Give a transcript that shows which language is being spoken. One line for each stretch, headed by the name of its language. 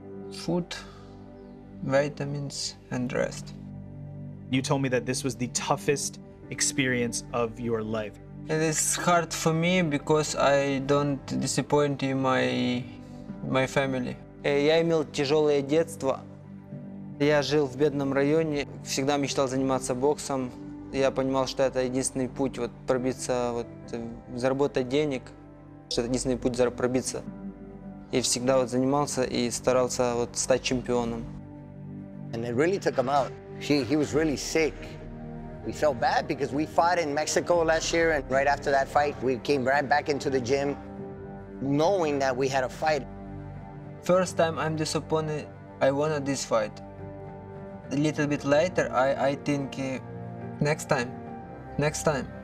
English: Food, vitamins, and rest. You told me that this was the toughest experience of your life. It is hard for me because I don't disappoint you, my family.
Russian: Я имел тяжелое детство. Я жил в бедном районе. Всегда мечтал заниматься боксом. Я понимал, что это единственный путь вот пробиться, вот заработать денег, что это единственный путь пробиться. И всегда вот занимался и старался вот стать чемпионом.
English: And it really took him out. He was really sick. We felt bad because we fought in Mexico last year, and right after that fight, we came right back into the gym, knowing that we had a fight. First time I'm disappointed, I won this fight. A little bit later, I think next time.